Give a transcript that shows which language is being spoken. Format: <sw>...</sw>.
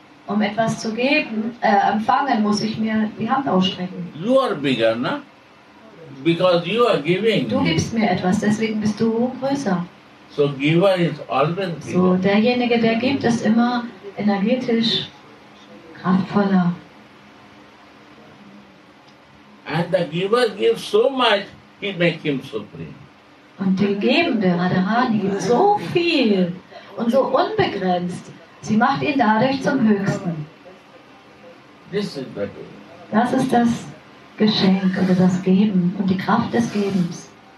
<de>Um etwas zu geben, empfangen, muss ich mir die Hand ausstrecken.</de> <en>You are bigger, ne? Because you are giving.</en> <de>Du gibst mir etwas, deswegen bist du größer.</de> <en>So giver is always giving.</en> <de>So derjenige, der gibt, ist immer energetisch kraftvoller.</de> <en>And the giver gives so much, he makes him supreme.</en> <de>Und der Gebende, Radharani, gibt so viel und so unbegrenzt, sie macht ihn dadurch zum Höchsten.</de> <en>This is the giver.</en> <de>Das ist das Geschenk oder das Geben und die Kraft des Gebens.</de>